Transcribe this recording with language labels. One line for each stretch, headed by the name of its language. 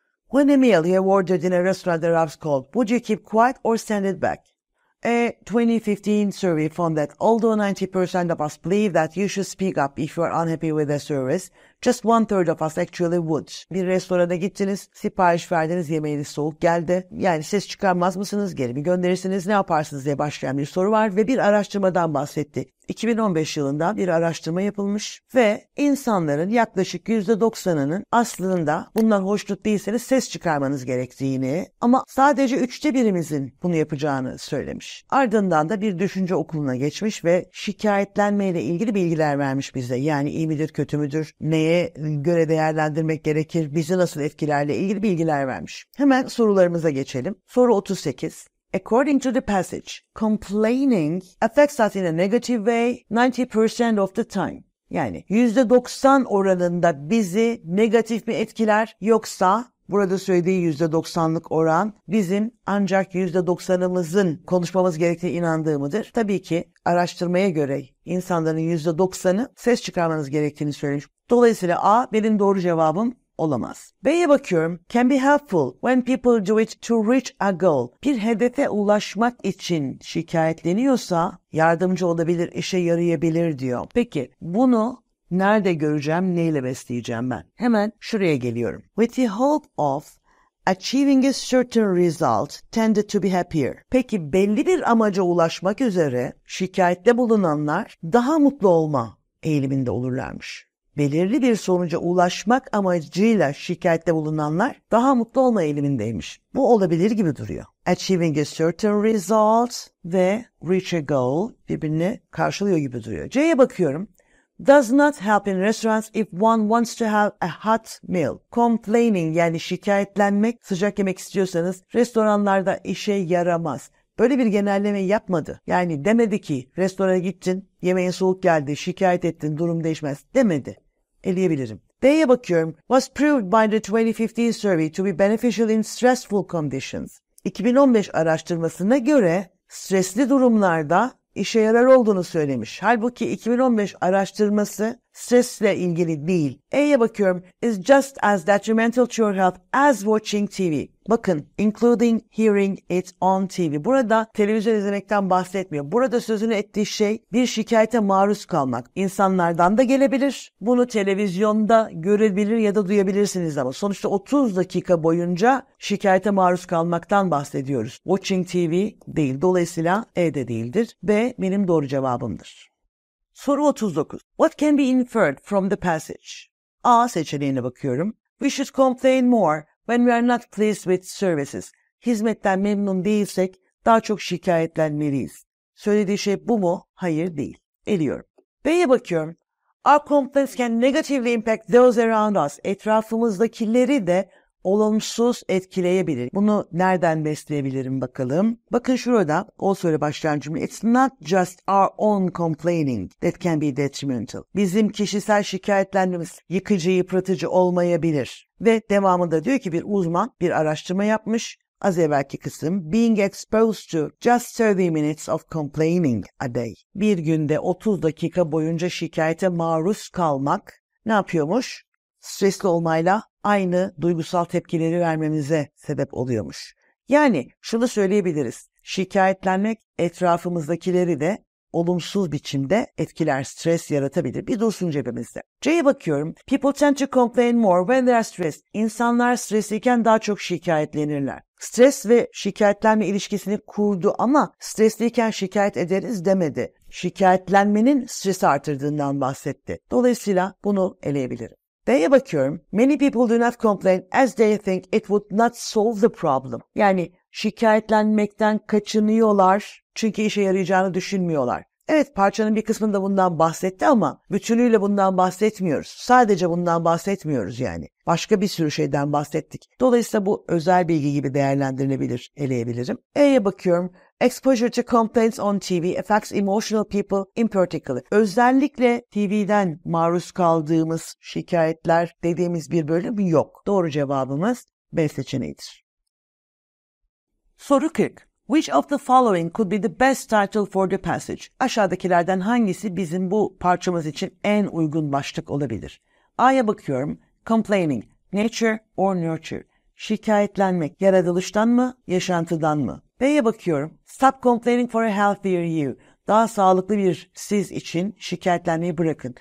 English: When a meal you have ordered in a restaurant that arrives cold, would you keep quiet or send it back? A 2015 survey found that although 90% of us believe that you should speak up if you are unhappy with the service, just one third of us actually would.
Turkish: Bir restorana gittiniz, sipariş verdiniz, yemeğiniz soğuk geldi. Yani ses çıkarmaz mısınız, geri mi gönderirsiniz, ne yaparsınız diye başlayan bir soru var ve bir araştırmadan bahsetti. 2015 yılında bir araştırma yapılmış ve insanların yaklaşık %90'ının aslında bundan hoşnut değilseniz ses çıkarmanız gerektiğini ama sadece üçte birimizin bunu yapacağını söylemiş. Ardından da bir düşünce okuluna geçmiş ve şikayetlenmeyle ilgili bilgiler vermiş bize. Yani iyi midir, kötü müdür, neye göre değerlendirmek gerekir, bizi nasıl etkilerle ilgili bilgiler vermiş. Hemen sorularımıza geçelim. Soru 38.
English: According to the passage, complaining affects us in a negative way 90% of the time.
Turkish: Yani %90 oranında bizi negatif mi etkiler yoksa burada söylediği %90'lık oran bizim ancak %90'ımızın konuşmamız gerektiğine inandığı mıdır? Tabii ki araştırmaya göre insanların %90'ı ses çıkarmanız gerektiğini söylemiş. Dolayısıyla A benim doğru cevabım olamaz. B'ye bakıyorum.
English: Can be helpful when people do it to reach a goal.
Turkish: Bir hedefe ulaşmak için şikayetleniyorsa yardımcı olabilir, işe yarayabilir diyor. Peki bunu nerede göreceğim, neyle besleyeceğim ben? Hemen şuraya geliyorum.
English: With the hope of achieving a certain result tended to be happier.
Turkish: Peki belli bir amaca ulaşmak üzere şikayette bulunanlar daha mutlu olma eğiliminde olurlarmış. Belirli bir sonuca ulaşmak amacıyla şikayette bulunanlar daha mutlu olma eğilimindeymiş. Bu olabilir gibi duruyor.
English: achieving a certain result
Turkish: ve
English: reach a goal
Turkish: birbirini karşılıyor gibi duruyor. C'ye bakıyorum.
English: Does not help in restaurants if one wants to have a hot meal.
Turkish: Complaining yani şikayetlenmek, sıcak yemek istiyorsanız restoranlarda işe yaramaz. Böyle bir genelleme yapmadı. Yani demedi ki restorana gittin, yemeğin soğuk geldi, şikayet ettin, durum değişmez demedi. Eleyebilirim. D'ye bakıyorum.
English: Was proved by the 2015 survey to be beneficial in stressful conditions.
Turkish: 2015 araştırmasına göre stresli durumlarda işe yarar olduğunu söylemiş. Halbuki 2015 araştırması stresle ilgili değil. E'ye bakıyorum.
English: Is just as detrimental to your health as watching TV.
Turkish: Bakın,
English: including hearing it on TV.
Turkish: Burada televizyon izlemekten bahsetmiyor. Burada sözünü ettiği şey bir şikayete maruz kalmak. İnsanlardan da gelebilir. Bunu televizyonda görebilir ya da duyabilirsiniz ama. Sonuçta 30 dakika boyunca şikayete maruz kalmaktan bahsediyoruz.
English: Watching TV
Turkish: değil. Dolayısıyla E de değildir. B benim doğru cevabımdır. Soru 39.
English: What can be inferred from the passage?
Turkish: A seçeneğine bakıyorum.
English: We should complain more when we are not pleased with services.
Turkish: Hizmetten memnun değilsek daha çok şikayetlenmeliyiz. Söylediği şey bu mu? Hayır değil. Eliyorum. B'ye bakıyorum.
English: Our complaints can negatively impact those around us.
Turkish: Etrafımızdakileri de olumsuz etkileyebilir. Bunu nereden besleyebilirim bakalım. Bakın şurada o söyle başlayan cümle.
English: It's not just our own complaining that can be detrimental.
Turkish: Bizim kişisel şikayetlenmemiz yıkıcı, yıpratıcı olmayabilir. Ve devamında diyor ki bir uzman bir araştırma yapmış. Az evvelki kısım.
English: Being exposed to just 30 minutes of complaining a day.
Turkish: Bir günde 30 dakika boyunca şikayete maruz kalmak ne yapıyormuş? Stresli olmayla aynı duygusal tepkileri vermemize sebep oluyormuş. Yani şunu söyleyebiliriz. Şikayetlenmek etrafımızdakileri de olumsuz biçimde etkiler, stres yaratabilir. Bir dursun cebimizde. C'ye bakıyorum.
English: People tend to complain more when they are stressed.
Turkish: İnsanlar stresliyken daha çok şikayetlenirler. Stres ve şikayetlenme ilişkisini kurdu ama stresliyken şikayet ederiz demedi. Şikayetlenmenin stresi artırdığından bahsetti. Dolayısıyla bunu eleyebilirim. D'ye bakıyorum.
English: Many people do not complain as they think it would not solve the problem.
Turkish: Yani şikayetlenmekten kaçınıyorlar çünkü işe yarayacağını düşünmüyorlar. Evet, parçanın bir kısmında bundan bahsetti ama bütünüyle bundan bahsetmiyoruz. Sadece bundan bahsetmiyoruz yani. Başka bir sürü şeyden bahsettik. Dolayısıyla bu özel bilgi gibi değerlendirilebilir, eleyebilirim. E'ye bakıyorum.
English: Exposure to complaints on TV affects emotional people in particular.
Turkish: Özellikle TV'den maruz kaldığımız şikayetler dediğimiz bir bölüm yok. Doğru cevabımız B seçeneğidir. Soru 40.
English: Which of the following could be the best title for the passage?
Turkish: Aşağıdakilerden hangisi bizim bu parçamız için en uygun başlık olabilir? A'ya bakıyorum.
English: Complaining, nature or nurture?
Turkish: Şikayetlenmek, yaratılıştan mı, yaşantıdan mı? B'ye bakıyorum.
English: Stop complaining for a healthier you.
Turkish: Daha sağlıklı bir siz için şikayetlenmeyi bırakın.